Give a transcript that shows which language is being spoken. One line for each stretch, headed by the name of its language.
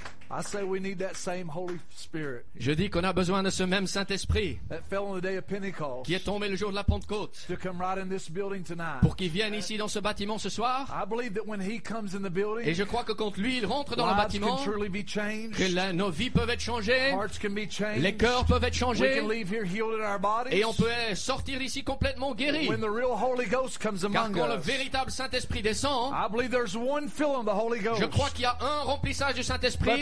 English: I say we need that same Holy Spirit. Spirit.
French: Je dis qu'on a besoin de ce même Saint-Esprit
English: that fell on the day of Pentecost,
French: qui est tombé le jour de la Pentecôte,
English: to come right in this building tonight.
French: Pour qu'il vienne ici dans ce bâtiment ce soir.
English: I believe that when he comes in the building,
French: et je crois que quand lui il rentre dans le bâtiment,
English: can truly be changed,
French: que la, nos vies peuvent être changées,
English: hearts can be changed,
French: les cœurs peuvent être changés,
English: we can leave here healed in our bodies,
French: et on peut sortir ici complètement guéri.
English: When the real Holy Ghost comes among
French: car quand
English: us,
French: le véritable Saint-Esprit descend,
English: I believe there's one filling of the Holy Ghost,
French: je crois qu'il y a un remplissage du Saint-Esprit,